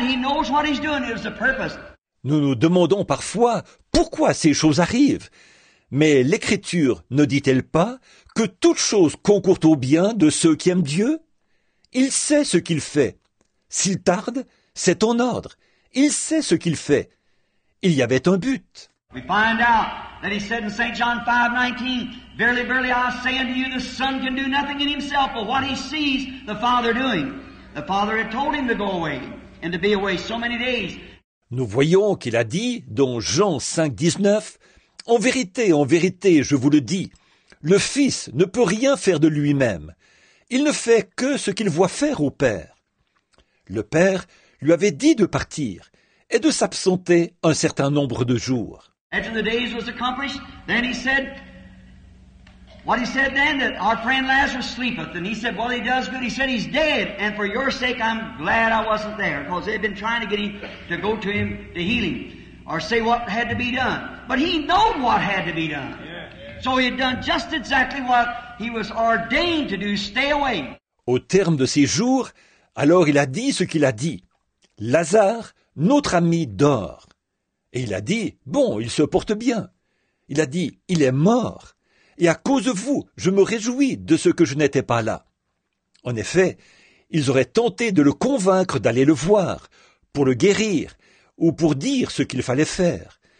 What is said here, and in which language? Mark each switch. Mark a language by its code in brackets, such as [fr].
[en] He knows what he's doing. It's the purpose. [fr] Nous nous demandons parfois pourquoi ces choses arrivent. Mais l'Écriture ne dit-elle pas que toutes choses concourent au bien de ceux qui aiment Dieu? Il sait ce qu'il fait. S'il tarde, c'est en ordre. Il sait ce qu'il fait. Il y avait un but. [en] We find out that he said in St. John 5:19, Verily, verily, I say unto you, the Son can do nothing in himself but what he sees the Father doing. The Father had told him to go away and to be away so many days. [fr] Nous voyons qu'il a dit dans Jean 5:19, en vérité, je vous le dis, le Fils ne peut rien faire de lui-même. Il ne fait que ce qu'il voit faire au Père. Le Père lui avait dit de partir et de s'absenter un certain nombre de jours. [en] After the days was accomplished, then he said, what he said then, that our friend Lazarus sleepeth. And he said, well, he does good. He said, he's dead. And for your sake, I'm glad I wasn't there. Because they've been trying to get him to go to him to heal him. Or say what had to be done. But he knew what had to be done. Yeah, yeah. So he had done just exactly what he was ordained to do, stay away. [fr] Au terme de ses jours, alors il a dit ce qu'il a dit. Lazare, notre ami, dort. Et il a dit, bon, il se porte bien. Il a dit, il est mort. Et à cause de vous, je me réjouis de ce que je n'étais pas là. En effet, ils auraient tenté de le convaincre d'aller le voir, pour le guérir, ou pour dire ce qu'il fallait faire.